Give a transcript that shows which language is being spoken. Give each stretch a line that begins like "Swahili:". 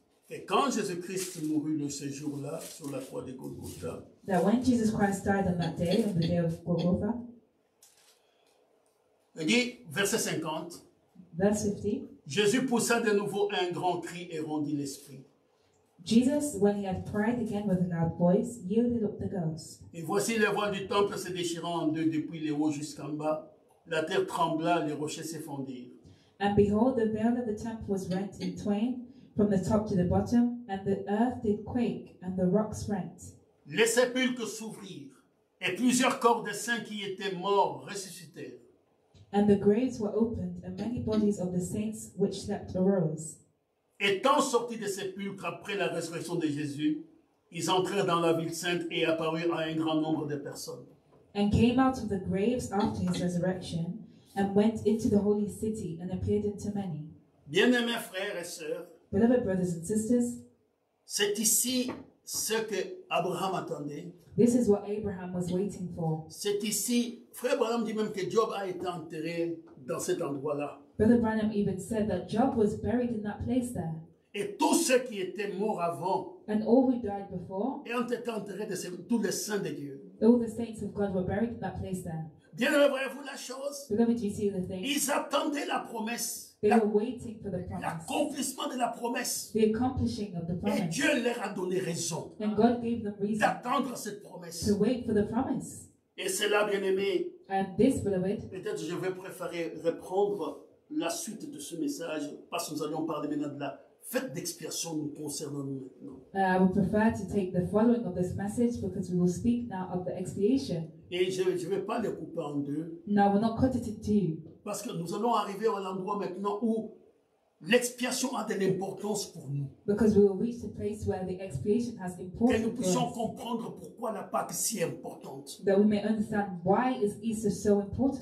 French: Et quand Jésus-Christ mourut de ce jour-là sur la croix de Golgotha.
English: That when Jesus Christ died on that day, on the day of Golgotha.
French: Il dit, verset 50.
English: Verse 50.
French: Jésus poussa de nouveau un grand cri et rendit l'esprit.
English: Jesus, when he had cried again with a loud voice, yielded up the ghost.
French: Et voici les voiles du temple se déchirant en deux depuis les hauts jusqu'en bas. La terre trembla, les rochers s'effondirent.
English: And behold, the veil of the temple was rent in twain from the top to the bottom, and the earth did quake, and the rocks rent.
French: Les sépulcres s'ouvrirent, et plusieurs corps de saints qui étaient morts ressuscitèrent.
English: And the graves were opened, and many bodies of the saints which slept arose.
French: Étant sortis des sépulcres après la résurrection de Jésus, ils entrèrent dans la ville sainte et apparurent à un grand nombre de personnes.
English: And came out of the graves after his resurrection and went into the holy city and appeared unto many.
French: Bien-aimés frères et sœurs,
English: beloved brothers and sisters,
French: c'est ici ce que Abraham attendait.
English: This is what Abraham was waiting for.
French: C'est ici, frère Abraham dit même que Job a été enterré dans cet endroit-là.
English: Brother Branham even said that Job was buried in that place there.
French: Et tous ceux qui étaient morts avant.
English: And all who died before.
French: Et ont été enterrés de tous les saints de Dieu.
English: All the saints of God were buried in that place there.
French: Bien-aimés, voyez-vous la chose?
English: Beloved, you see the thing.
French: Ils attendaient la promesse.
English: They were waiting for the promise.
French: L'accomplissement de la promesse.
English: The accomplishing of the promise.
French: Et Dieu leur a donné raison.
English: And God gave them reason.
French: D'attendre cette promesse.
English: To wait for the promise.
French: Et cela, bien-aimés.
English: And this, beloved.
French: Peut-être je vais préférer reprendre la suite de ce message, parce que nous allons parler maintenant de la fête d'expiation nous concernant nous maintenant.
English: I would prefer to take the following of this message because we will speak now of the expiation.
French: Et je ne vais pas le couper en deux.
English: No, we'll not cut it in two.
French: Parce que nous allons arriver à l'endroit maintenant où l'expiation a de l'importance pour nous.
English: Because we will reach the place where the expiation has importance.
French: Que nous puissions comprendre pourquoi la Pâque si importante.
English: That we may understand why is Easter so important.